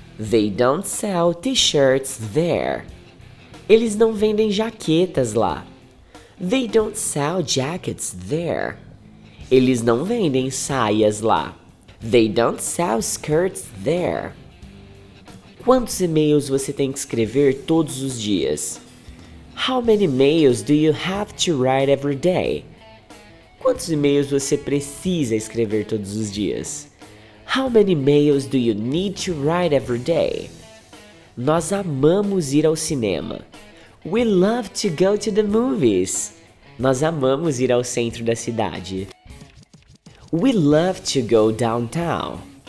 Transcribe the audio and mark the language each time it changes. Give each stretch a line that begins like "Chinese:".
English: They don't sell t-shirts there.
Portuguese: Eles não vendem jaquetas lá.
English: They don't sell jackets there.
Portuguese: Eles não vendem saias lá.
English: They don't sell skirts there.
Portuguese: Quantos e-mails você tem que escrever todos os dias?
English: How many mails do you have to write every day?
Portuguese: Quantos e-mails você precisa escrever todos os dias?
English: How many mails do you need to write every day?
Portuguese: Nós amamos ir ao cinema.
English: We love to go to the movies.
Portuguese: Nós amamos ir ao centro da cidade.
English: We love to go downtown.